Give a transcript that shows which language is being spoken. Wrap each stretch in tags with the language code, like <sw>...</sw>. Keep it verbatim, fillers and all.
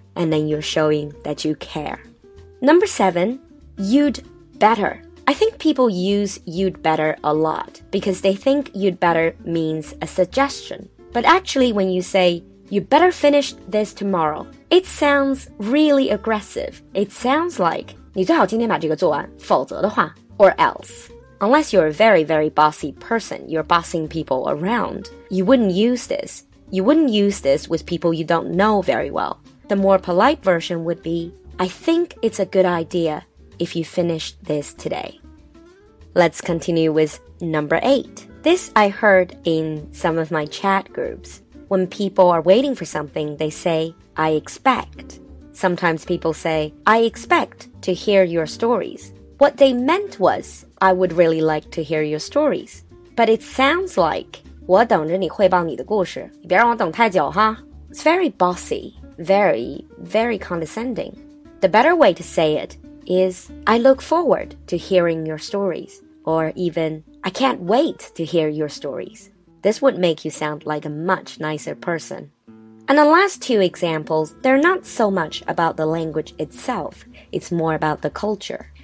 <en>And then you're showing that you care. Number seven, you'd better. I think people use you'd better a lot because they think you'd better means a suggestion. But actually when you say, you better finish this tomorrow, it sounds really aggressive. It sounds like,</en> <zh>你最好今天把这个做完，否则的话,</zh> <en>or else. Unless you're a very, very bossy person, you're bossing people around, you wouldn't use this. You wouldn't use this with people you don't know very well. The more polite version would be, I think it's a good idea. If you finish this today. Let's continue with number eight. This I heard in some of my chat groups. When people are waiting for something, they say, I expect. Sometimes people say, I expect to hear your stories. What they meant was, I would really like to hear your stories. But it sounds like,</en> <zh>我等着你汇报你的故事，你别让我等太久哈。</zh> <en>It's very bossy, very, very condescending. The better way to say it,is I look forward to hearing your stories, or even I can't wait to hear your stories. This would make you sound like a much nicer person. And the last two examples, they're not so much about the language itself, it's more about the culture.</en>